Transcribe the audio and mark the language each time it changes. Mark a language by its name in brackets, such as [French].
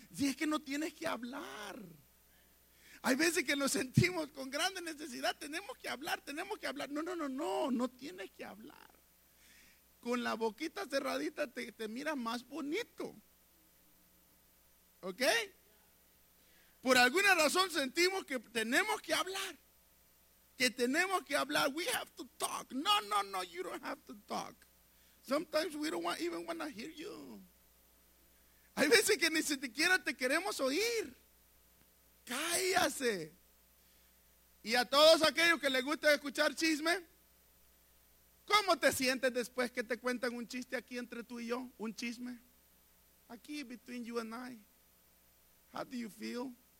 [Spanish] Si es que no tienes que hablar. Hay veces que nos sentimos con grande necesidad. Tenemos que hablar. No, no, no, no. No tienes que hablar. con la boquita cerradita te miras más bonito. ¿Ok? Por alguna razón sentimos que tenemos que hablar. Que tenemos que hablar. [English] We have to talk. No, no, no, you don't have to talk. Sometimes we don't want, even want to hear you. [Spanish] Hay veces que ni siquiera te queremos oír. Cállase. Y a todos aquellos que les gusta escuchar chisme, ¿cómo te sientes después que te cuentan un chiste aquí entre tú y yo? Un chisme. [English] Aquí, between you and I. How do you feel?